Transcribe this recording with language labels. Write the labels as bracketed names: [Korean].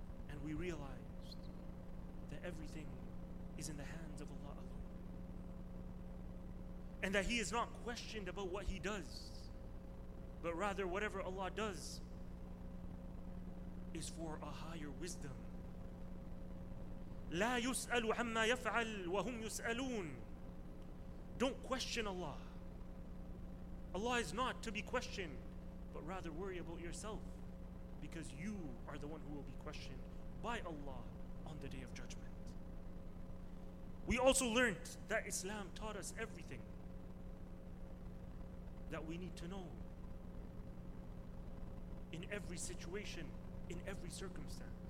[English] And we realized that everything is in the hands of Allah alone. And that He is not questioned about what He does, but rather whatever Allah does is for a higher wisdom. [Arabic] لا يسأل عما يفعل وهم يسألون. [English] Don't question Allah. Allah is not to be questioned, but rather worry about yourself, because you are the one who will be questioned by Allah on the Day of Judgment. We also learned that Islam taught us everything that we need to know in every situation, in every circumstance.